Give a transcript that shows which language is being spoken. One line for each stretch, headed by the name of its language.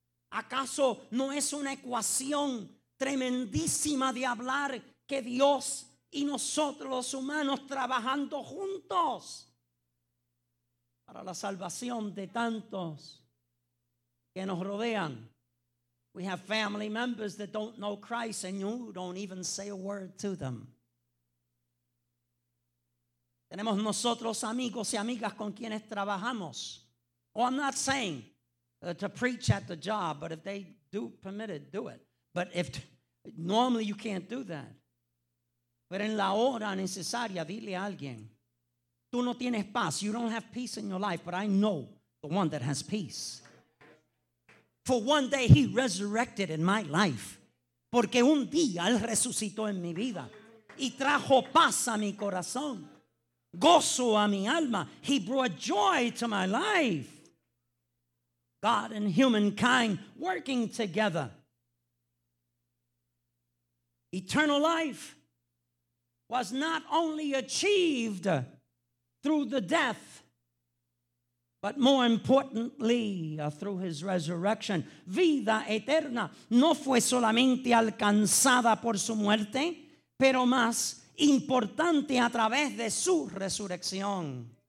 Spanish: ¿Acaso no es una ecuación tremendísima de hablar que Dios y nosotros los humanos trabajando juntos para la salvación de tantos que nos rodean?
English: We have family members that don't know Christ and you don't even say a word to them.
Spanish: Tenemos nosotros amigos y amigas con quienes trabajamos.
English: Oh, I'm not saying to preach at the job, but if they do permit it, do it. But if normally you can't do that.
Spanish: Pero en la hora necesaria, dile a alguien, tú no tienes paz,
English: you don't have peace in your life, but I know the one that has peace. For one day he resurrected in my life.
Spanish: Porque un día él resucitó en mi vida y trajo paz a mi corazón, gozo a mi alma.
English: He brought joy to my life. God and humankind working together. Eternal life was not only achieved through the death, but more importantly, through his resurrection.
Spanish: Vida eterna no fue solamente alcanzada por su muerte, pero más importante a través de su resurrección.